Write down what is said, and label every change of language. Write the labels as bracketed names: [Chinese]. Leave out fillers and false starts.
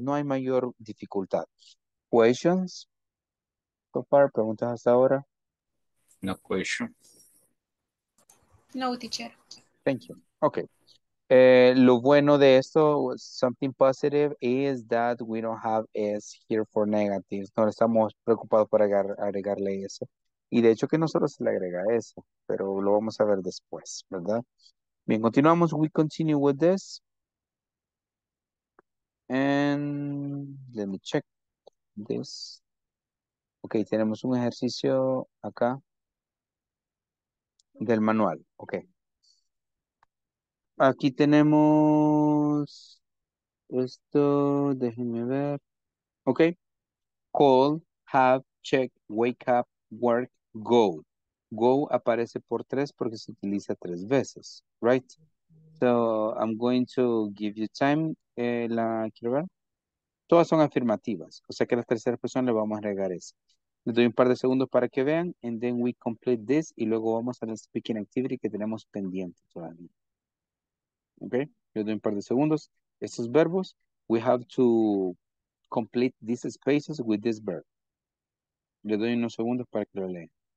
[Spanish] No hay mayor dificultad. [English] Questions? So far, [Spanish] preguntas hasta ahora? [English] No question. No, teacher. Thank you. Okay. [Spanish] Lo bueno de esto, [English] something positive, is that we don't have S here for negatives. [Spanish] No estamos preocupados por agregarle eso. Y de hecho que no solo se le agrega eso, pero lo vamos a ver después, ¿verdad? Bien, continuamos. [English] We continue with this. And let me check this. [Spanish] Okay, tenemos un ejercicio acá del manual. Okay. Aquí tenemos esto. Déjenme ver. Okay. [English] Call, have, check, wake up, work, go. [Spanish] Go aparece por tres porque se utiliza tres veces. [English] Right? So, I'm going to give you time. [Spanish] Quiero ver. Todas son afirmativas. O sea que a la tercera persona le vamos a agregar eso. Les doy un par de segundos para que vean. [English] And then we complete this. [Spanish] Y luego vamos a la speaking activity que tenemos pendiente todavía. Okay? Les doy un par de segundos. Estos verbos. [English] We have to complete these spaces with this verb. [Spanish] Les doy unos segundos para que lo lean.